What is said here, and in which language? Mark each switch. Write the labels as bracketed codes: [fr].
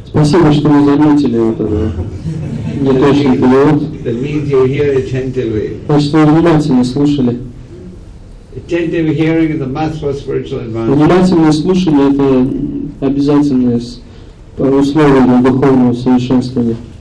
[ru] Спасибо, что вы заметили вот это. [en] That means you hear attentively. Attentive hearing is a must for spiritual advancement. [ru] Внимательное слушание — это обязательные условия для духовного совершенствования.